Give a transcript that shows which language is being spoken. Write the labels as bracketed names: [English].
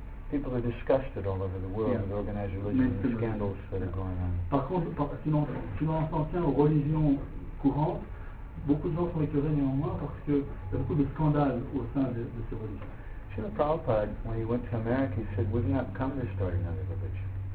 [English] people are disgusted all over the world with organized religion and the scandals that are going on. [French] Par contre, sinon, si on tient aux religions courantes, beaucoup de gens sont écœurés néanmoins parce que il y a beaucoup de scandales au sein de ces religions. [English] Srila Prabhupada, when he went to America, he said, we've not come to start another religion.